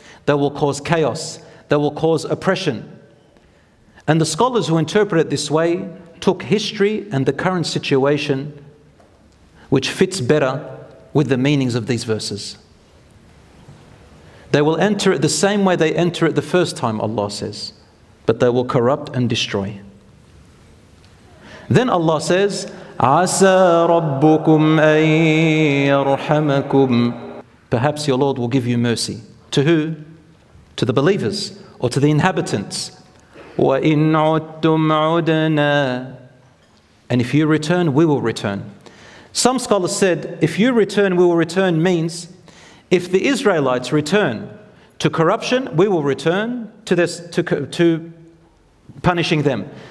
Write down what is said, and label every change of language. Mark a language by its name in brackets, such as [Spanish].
[English] They will cause chaos. They will cause oppression. And the scholars who interpret it this way took history and the current situation, which fits better with the meanings of these verses. They will enter it the same way they enter it the first time, Allah says, but they will corrupt and destroy. Then Allah says, [Arabic] عَسَى رَبُّكُمْ أَن يَرْحَمَكُمْ. [English] Perhaps your Lord will give you mercy. To who? To the believers or to the inhabitants. [Arabic] وَإِنْ عُدْتُمْ عُدْنَا. [English] And if you return, we will return. Some scholars said, if you return, we will return means, if the Israelites return to corruption, we will return to this, to punishing them.